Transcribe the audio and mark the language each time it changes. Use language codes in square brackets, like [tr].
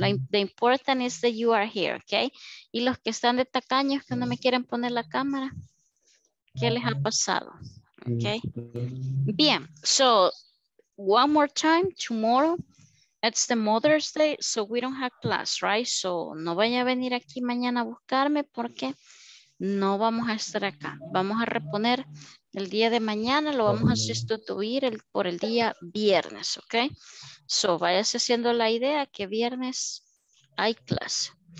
[en] The important is that you are here, okay? [es] Y los que están de tacaños que no me quieren poner la cámara, ¿qué les ha pasado? Okay. Bien, so... [en] One more time, tomorrow, it's the Mother's Day, so we don't have class, right? [es] So, no vaya a venir aquí mañana a buscarme porque no vamos a estar acá. Vamos a reponer el día de mañana, lo vamos a sustituir por el día viernes, ¿ok? So, váyase haciendo la idea que viernes hay clase.